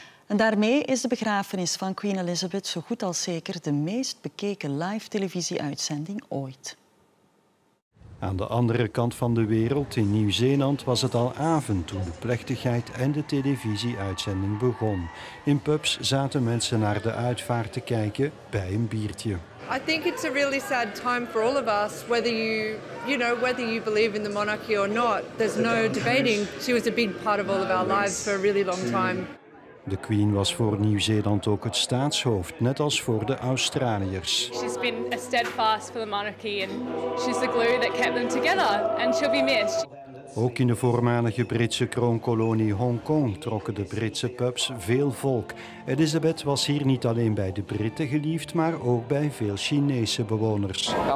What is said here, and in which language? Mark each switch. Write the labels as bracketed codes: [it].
[nl] En daarmee is de begrafenis van Queen Elizabeth zo goed als zeker de meest bekeken live televisieuitzending ooit. Aan de andere kant van de wereld, in Nieuw-Zeeland, was het al avond toen de plechtigheid en de televisieuitzending begon. In pubs zaten mensen naar de uitvaart te kijken bij een biertje. [en] I think it's a really sad time for all of us, whether you believe in the monarchy or not. There's no debating. She was a big part of all of our lives for a really long time. [nl] De Queen was voor Nieuw-Zeeland ook het staatshoofd, net als voor de Australiërs. [en] She's been a steadfast for the monarchy and she's the glue that kept them together and she'll be missed. [nl] Ook in de voormalige Britse kroonkolonie Hongkong trokken de Britse pubs veel volk. Elizabeth was hier niet alleen bij de Britten geliefd, maar ook bij veel Chinese bewoners.